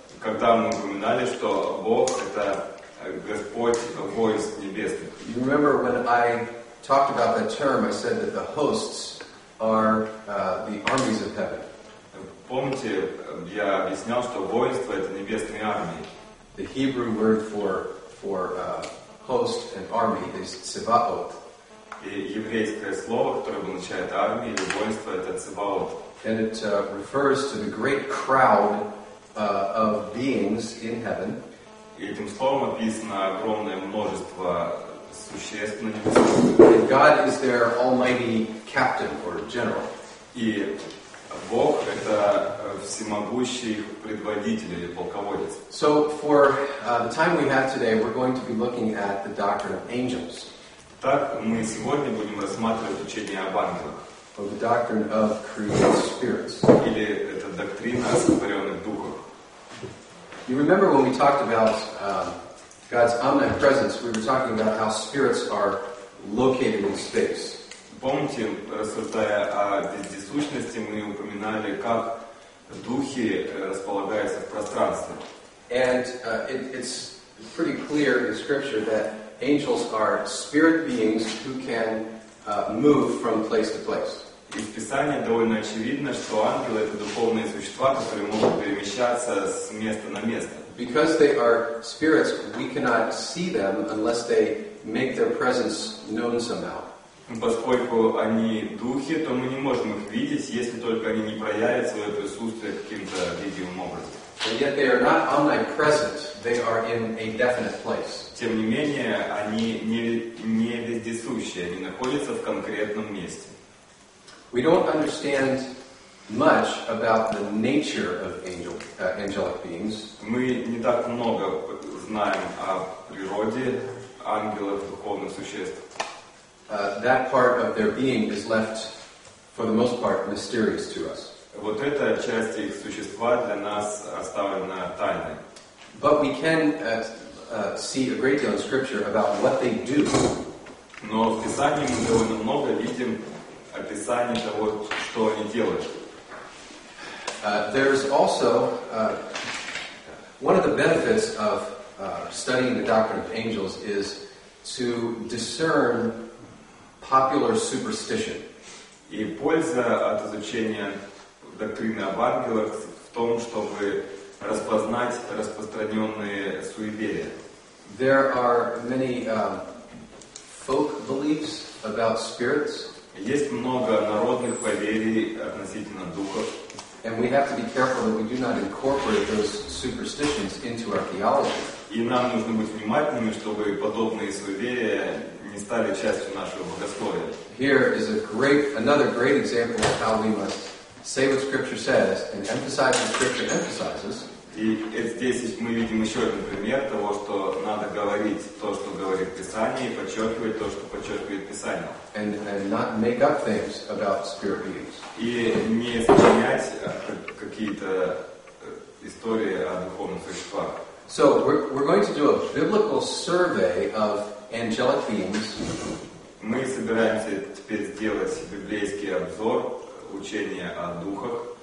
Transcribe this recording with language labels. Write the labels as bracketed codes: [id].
[ru] Когда мы упоминали, что Бог — это Господь войск небесных. [en] You remember when I talked about that term, I said that the hosts are the armies of heaven. [ru] Помните, я объяснял, что воинство — это небесные армии. [en] The Hebrew word for host and army is tzevaot. [ru] И еврейское слово, которое означает армия или воинство, это tzevaot. [en] And it refers to the great crowd of beings in heaven. [ru] И этим словом описано огромное множество существ на небесах. [en] And God is their almighty captain or general. [ru] И Бог — это всемогущий предводитель или полководец. [en] So, for the time we have today, we're going to be looking at the doctrine of angels. [ru] Так, мы сегодня будем рассматривать учение об ангелах. [en] Or the doctrine of created spirits. [ru] Или это доктрина о сотворенных духах. [en] You remember when we talked about God's omnipresence, we were talking about how spirits are located in space. [ru] Помните, рассуждая о вездесущности, мы упоминали, как духи располагаются в пространстве. [en] And it's pretty clear in Scripture that angels are spirit beings who can move from place to place. [ru] И в Писании довольно очевидно, что ангелы — это духовные существа, которые могут перемещаться с места на место. [en] Because they are spirits, we cannot see them unless they make their presence known somehow. [ru] Поскольку они духи, то мы не можем их видеть, если только они не проявят свое присутствие каким-то видимым образом. [en] And yet they are not omnipresent. They are in a definite place. [ru] Тем не менее, они не вездесущие. Они находятся в конкретном месте. [en] We don't understand much about the nature of angelic beings. [ru] Мы не так много знаем о природе ангелов, духовных существ. [en] That part of their being is left, for the most part, mysterious to us. [ru] Вот эта часть их существа для нас оставлена тайной. [en] But we can see a great deal in Scripture about what they do. [ru] Но в Писании мы довольно много видим описание того, что они делают. [en] There's also one of the benefits of studying the doctrine of angels is to discern popular superstition. [ru] И польза от изучения доктрины об ангелах в том, чтобы распознать распространенные суеверия. [en] There are many folk beliefs about spirits. [ru] Есть много народных поверий относительно духов. [en] And we have to be careful that we do not incorporate those superstitions into archaeology. [ru] И нам нужно быть внимательными, чтобы подобные суеверия не стали частью нашего богословия. [en] Here is another great example of how we must say what Scripture says and emphasize what Scripture emphasizes. [ru] И здесь мы видим еще один пример того, что надо говорить то, что говорит Писание, и подчеркивать то, что подчеркивает Писание. [en] And not make up things about spirit beings. [ru] И не сочинять какие-то истории о духовных существах. [en] So we're going to do a biblical survey of angelic beings. [ru] Мы собираемся теперь сделать библейский обзор учения о духах.